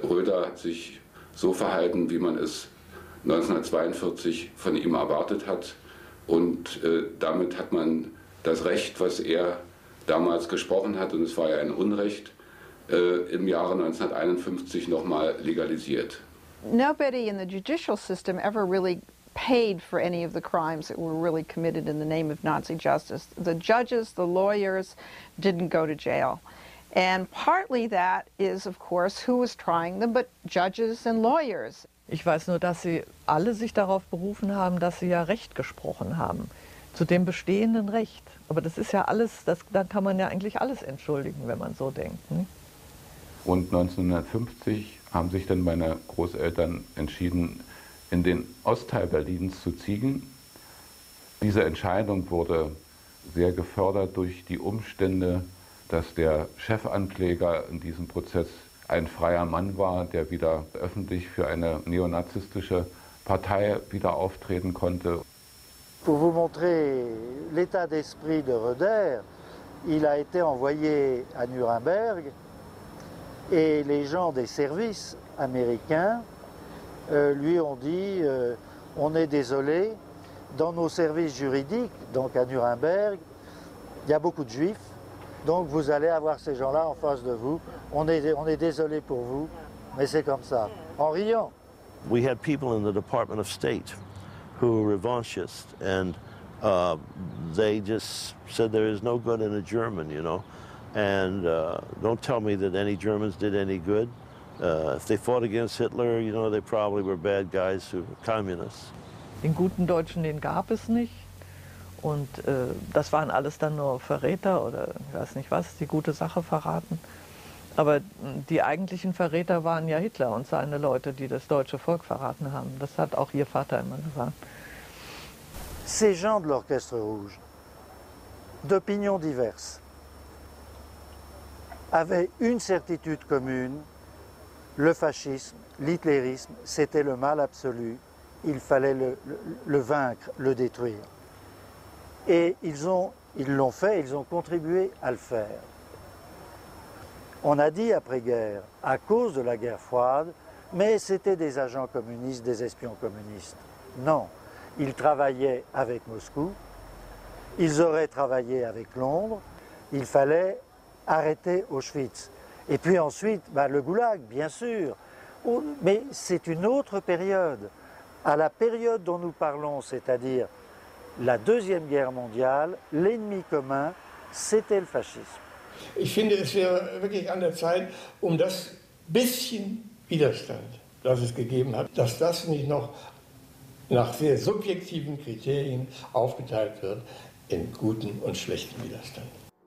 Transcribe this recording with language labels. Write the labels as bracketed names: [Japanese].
[German] Roeder hat sich so verhalten, wie man es 1942 von ihm erwartet hat. Und damit hat man das Recht, was er damals gesprochen hat, und es war ja ein Unrecht, im Jahre 1951 nochmal legalisiert. [English] Nobody in the judicial system ever really paid for any of the crimes that were really committed in the name of Nazi justice. The judges, the lawyers didn't go to jail. And partly that is, of course, who was trying them, but judges and lawyers. [German] Ich weiß nur, dass sie alle sich darauf berufen haben, dass sie ja Recht gesprochen haben, zu dem bestehenden Recht. Aber das ist ja alles, dann kann man ja eigentlich alles entschuldigen, wenn man so denkt. Ne? Und 1950 haben sich dann meine Großeltern entschieden, in den Ostteil Berlins zu ziehen. Diese Entscheidung wurde sehr gefördert durch die Umstände, dass der Chefankläger in diesem Prozess ein freier Mann war, der wieder öffentlich für eine neonazistische Partei wieder auftreten konnte. [French] Pour vous montrer l'état d'esprit de Röder, il a été envoyé à Nuremberg et les gens des services américains lui ont dit on est désolé, dans nos services juridiques, donc à Nuremberg, il y a beaucoup de juifs. Donc vous allez avoir ces gens-là en face de vous. On est désolé pour vous, mais c'est comme ça. En riant. [English] We had people in the Department of State who were revanchist, and they just said there is no good in a German, you know, and don't tell me that any Germans did any good. If they fought against Hitler, you know, they probably were bad guys who were communists. [German] Den guten Deutschen, den gab es nicht. Und das waren alles dann nur Verräter oder ich weiß nicht was, die gute Sache verraten. Aber die eigentlichen Verräter waren ja Hitler und seine Leute, die das deutsche Volk verraten haben. Das hat auch ihr Vater immer gesagt. [French] Ces gens de l'Orchestre Rouge, d'opinions diverses, avaient une certitude commune, le fascisme, l'hitlérisme, c'était le mal absolu. Il fallait le vaincre, le détruire. Et ils l'ont fait, ils ont contribué à le faire. On a dit après-guerre, à cause de la guerre froide, mais c'était des agents communistes, des espions communistes. Non, ils travaillaient avec Moscou, ils auraient travaillé avec Londres, il fallait arrêter Auschwitz. Et puis ensuite, le goulag, bien sûr, mais c'est une autre période. À la période dont nous parlons, c'est-à-dire la Deuxième Guerre mondiale, l'ennemi commun, c'était le fascisme. [German] Ich finde, es wäre wirklich an der Zeit, um das bisschen Widerstand, das es gegeben hat, dass das nicht noch nach sehr subjektiven Kriterien aufgeteilt wird in guten und schlechten Widerstand.